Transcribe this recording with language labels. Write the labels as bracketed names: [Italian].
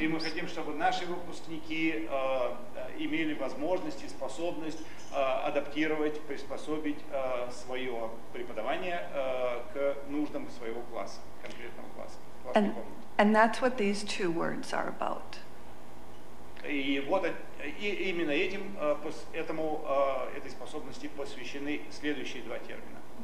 [Russian] И мы хотим, чтобы наши выпускники имели возможность и способность адаптировать, приспособить свое преподавание к нуждам своего класса, конкретного класса. [English] And that's what these two words are about. [Russian] И вот и именно этим, этому, этой способности посвящены следующие два термина.